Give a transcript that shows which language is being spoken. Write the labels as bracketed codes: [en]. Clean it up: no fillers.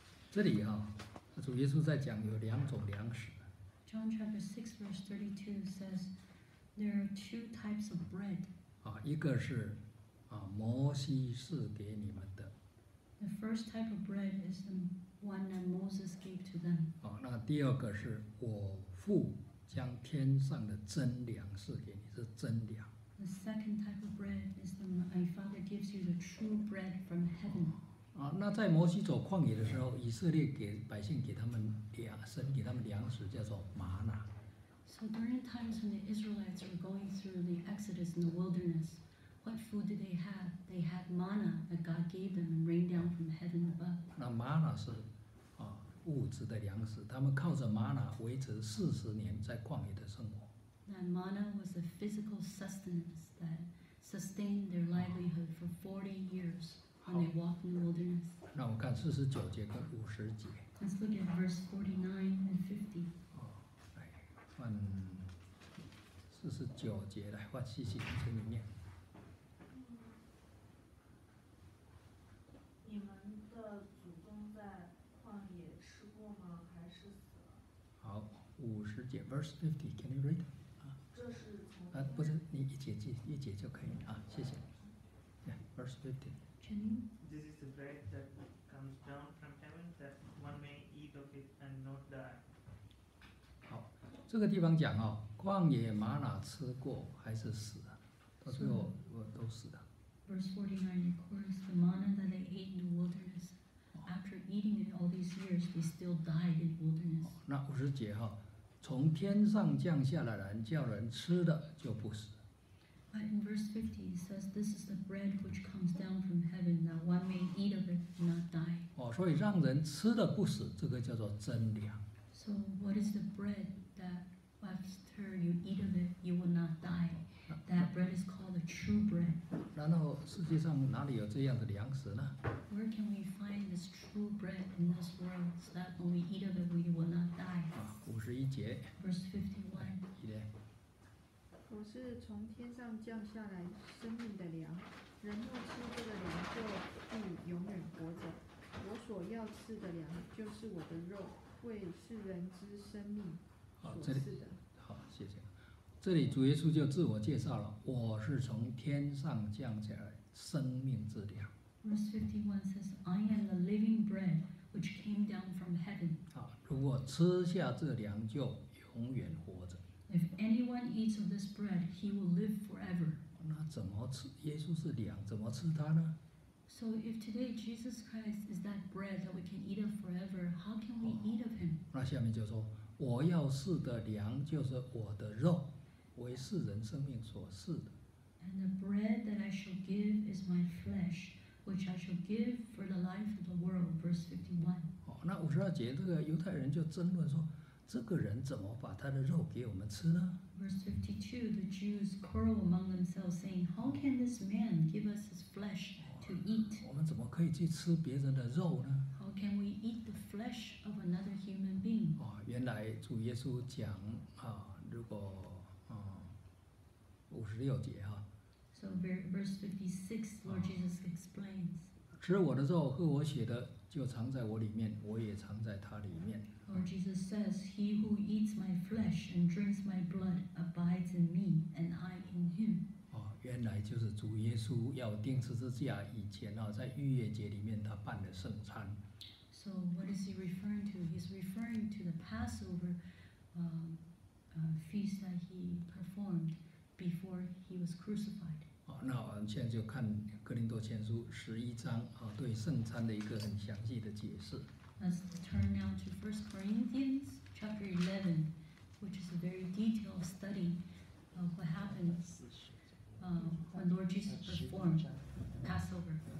[zh] 这里啊，主耶稣在讲有两种粮食。 [en] John chapter 6 verse 32 says there are two types of bread. [zh] 啊，一个是啊，摩西赐给你们的。 [en] The first type of bread is the one that Moses gave to them. [zh] 啊，那第二个是我父将天上的真粮赐给你，是真粮。 [en] The second type of bread is the my father gives you the true bread from heaven. [zh] 啊、那在摩西走旷野的时候，以色列给百姓给他们粮，神给他们粮食叫做玛拿。 [en] So during times when the Israelites were going through the Exodus in the wilderness, what food did they have? They had manna that God gave them and rained down from heaven above. [zh] 那玛拿是啊物质的粮食，他们靠着玛拿维持40年在旷野的生活。 [en] That manna was a physical sustenance that sustained their livelihood for 40 years. And they walk in the wilderness. [zh] 那我看四十九节跟五十节。 [en] Let's look at verse 49 and 50. [zh] 哦，来，换四十九节来，换细细的请你念。你们的祖宗在旷野吃过吗？还是死了？好，五十节 ， [en] verse 50 can you read？ [zh] 啊，这是从啊，不是你一节记一节就可以啊，谢谢。 [en] 来 ，verse 50。 This is the bread that comes down from heaven that one may eat of it and not die. [zh] 好，这个地方讲哦，旷野玛拿吃过还是死啊？到最后我都死的。 [en] Verse 49 records the manna that they ate in the wilderness. After eating it all these years, they still died in wilderness. [zh] 那五十节哈，从天上降下来人叫人吃的就不死。 [en] But in verse 50, it says, "This is the bread which comes down from heaven, that one may eat of it and not die." [zh] 哦，所以让人吃的不死，这个叫做真粮。 [en] So, what is the bread that after you eat of it, you will not die? That bread is called the true bread. [zh] 那难道世界上哪里有这样的粮食呢？ [en] Where can we find this true bread in this world so that when we eat of it we will not die? [zh] 51节 [en] Verse 51 [zh] 我是从天上降下来生命的粮，人若吃这个粮就必永远活着。我所要吃的粮就是我的肉，为世人之生命所赐的。好，谢谢。这里主耶稣就自我介绍了，我是从天上降下来生命之粮。 [en] Verse 51 says, I am the living bread which came down from heaven. [zh] 好，如果吃下这粮就永远活着。 [en] If anyone eats of this bread, he will live forever. [zh] 那怎么吃？耶稣是粮，怎么吃它呢？ [en] So if today Jesus Christ is that bread that we can eat of forever, how can we eat of him? [zh] 那下面就说，我要赐的粮就是我的肉，为世人生命所赐的。 [en] And the bread that I shall give is my flesh, which I shall give for the life of the world. Verse 51. [zh] 那52节这个犹太人就争论说，这个人怎么把他的肉给我们吃呢？ [en] Verse 52, the Jews quarrel among themselves, saying, How can this man give us his flesh to eat? [zh] 我们怎么可以去吃别人的肉呢？ [en] How can we eat the flesh of another human being? [zh] 原来主耶稣讲，如果，56节啊。 [en] So verse 56, Lord Jesus explains. [zh] 吃我的肉，喝我血的，就藏在我里面，我也藏在他里面。 [en] Lord Jesus says, He who eats my flesh and drinks my blood abides in me, and I in him. [zh] 原来就是主耶稣要钉十字架以前啊，在逾越节里面他办的圣餐。 [en] So what is he referring to? He's referring to the Passover feast that he performed before he was crucified. [zh] 那我们现在就看哥林多前书十一章啊，对圣餐的一个很详细的解释。 [en] Let's turn now to 1 Corinthians chapter 11, which is a very detailed study of what happens when Lord Jesus performed Passover.